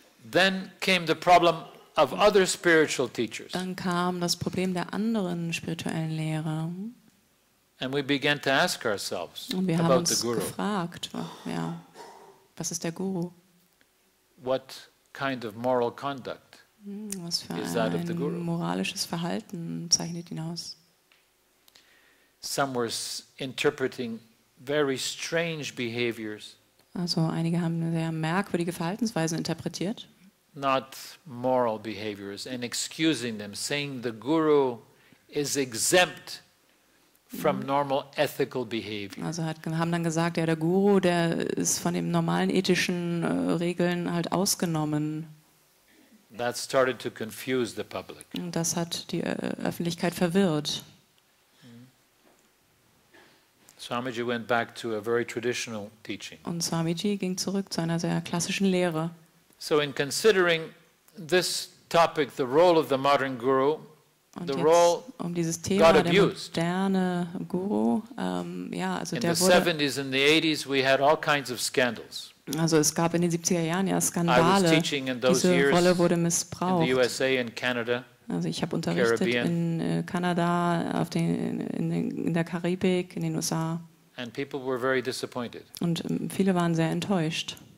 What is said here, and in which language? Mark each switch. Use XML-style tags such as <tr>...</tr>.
<en>Then came the problem of other spiritual teachers.</en> <de>Dann kam das Problem der anderen spirituellen Lehrer.</de> <en>And we began to ask ourselves</en> <de>und wir</de> <en>about</en> <de>haben uns</de> <en>the guru.</en> <de>Gefragt, ja, was ist der Guru?</de> <en>What kind of moral conduct?</en> <de>Was für ein moralisches Verhalten zeichnet ihn aus?</de> <en>Some were interpreting very strange behaviors.</en> <de>Also einige haben sehr merkwürdige Verhaltensweisen interpretiert.</de> <en>Not moral behaviors and excusing them, saying the guru is exempt from normal ethical behavior.</en> <de>Also haben dann gesagt, ja, der Guru, der ist von den normalen ethischen Regeln halt ausgenommen.</de> <en>That started to confuse the public.</en> <de>Das hat die Öffentlichkeit verwirrt.</de> <en>Swamiji went back to a very traditional teaching.</en> <de>Und Swamiji ging zurück zu einer sehr klassischen Lehre.</de> <en>So in considering this topic, the role of the modern guru, the role</en> <de>um dieses Thema der moderne Guru, ja, also</de> <en>in</en> <de>der</de> <en>the 70s and the 80s we had all kinds of scandals.</en> <de>Also es gab in den 70er Jahren ja Skandale. Diese Rolle wurde missbraucht.</de> <en>In the USA and Canada,</en> <de>also ich habe unterrichtet in Kanada, in der Karibik, in den USA. And people were very disappointed. Und viele waren sehr enttäuscht.</de>